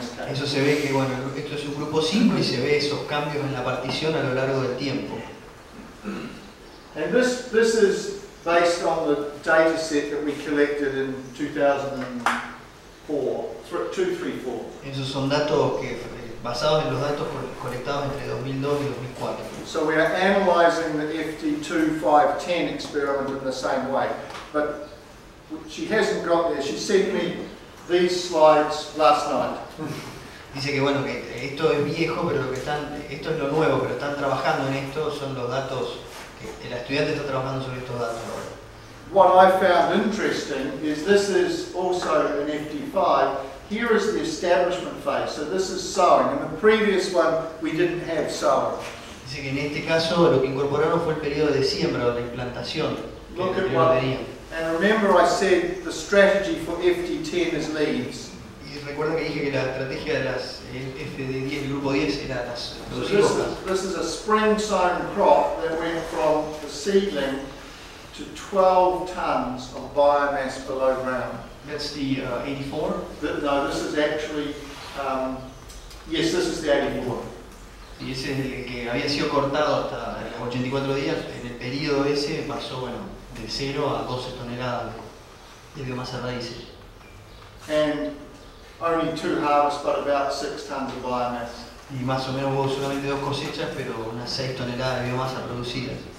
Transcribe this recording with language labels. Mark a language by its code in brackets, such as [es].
[es] Eso se ve que bueno, esto es un grupo 5 y se ve esos cambios en la partición a lo largo del tiempo. [en] And this is based on the data set that we collected in 2004. [es] Esos son datos que basados en los datos colectados entre 2002 y 2004. [en] So we are analyzing the FT2510 experiment in the same way. But she hasn't got there. She sent me these slides last night. [es] Dice que bueno, que esto es viejo, pero lo que están, esto es lo nuevo, pero están trabajando en esto, son los datos que la estudiante está trabajando sobre estos datos ahora. [en] What I found interesting is this is also an FT5. Here is the establishment phase. So this is sowing. In the previous one we didn't have sowing. [es] Dice que en este caso lo que incorporaron fue el periodo de siembra o la implantación. [en] Look at what. And remember I said the strategy for FT10 is leaves. [es] Y recuerda que dije que la estrategia de las FD10, el grupo 10, era las producidas. [en] This is a spring sown crop that went from the seedling to 12 tons of biomass below ground. That's the 84? No, this is actually, yes, this is the 84. [es] Y ese es el que había sido cortado hasta los 84 días, en el periodo ese pasó, bueno, de 0 a 12 toneladas de biomasa raíces. [en] And only 2 harvests, but about 6 tons of biomass. [es] Y más o menos hubo solamente 2 cosechas, pero unas 6 toneladas de biomasa producidas.